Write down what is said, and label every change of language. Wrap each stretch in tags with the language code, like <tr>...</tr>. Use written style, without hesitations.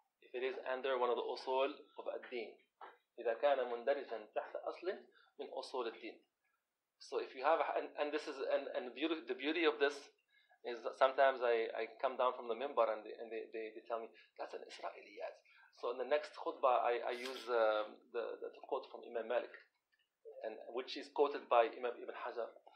<en>If it is under one of the usul of ad-din.</en> <ar>إِذَا كَانَ مُنْدَرِجًا تَحْتَ أَصْلٍ مِنْ أُصُولِ الدِّينِ.</ar> <en>So if you have, the beauty of this. Is that sometimes I come down from the minbar and they tell me that's an Israeliyat. So in the next khutbah I use the quote from Imam Malik, and which is quoted by Imam Ibn Hajar.</en>